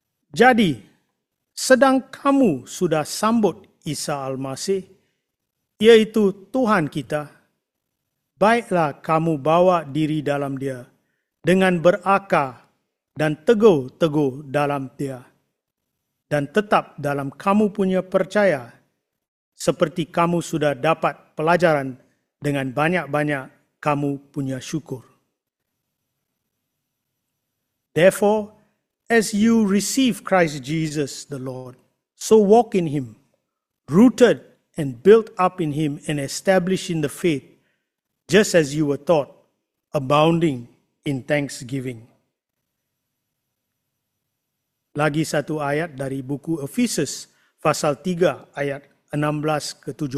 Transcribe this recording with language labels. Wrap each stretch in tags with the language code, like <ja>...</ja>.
<ms>Jadi, sedang kamu sudah sambut Isa Al-Masih, iaitu Tuhan kita, baiklah kamu bawa diri dalam dia dengan berakar dan teguh-teguh dalam dia dan tetap dalam kamu punya percaya seperti kamu sudah dapat pelajaran dengan banyak-banyak kamu punya syukur.</ms> <en>Therefore, as you receive Christ Jesus the Lord, so walk in him, rooted and built up in him and established in the faith, just as you were taught, abounding in thanksgiving.</en> <ms>Lagi satu ayat dari buku Efesus pasal 3 ayat 16-17.</ms>